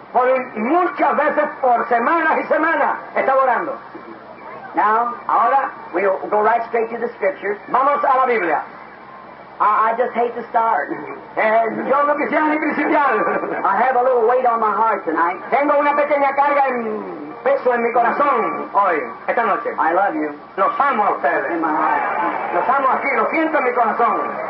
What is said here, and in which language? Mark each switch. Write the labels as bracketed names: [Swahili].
[Spanish] Por muchas veces por semanas y semanas estaba orando. [English] Now, [Spanish] ahora, [English] we'll go right straight to the scriptures. [Spanish] Vamos a la Biblia. [English] I just hate to start. [Spanish] Yo no quisiera ni principiar. [English] I have a little weight on my heart tonight. [Spanish] Tengo una pequeña carga en peso en mi corazón hoy, esta noche. [English] I love you. [Spanish] Los amo a ustedes. [English] In my heart. [Spanish] Los amo aquí, lo siento en mi corazón.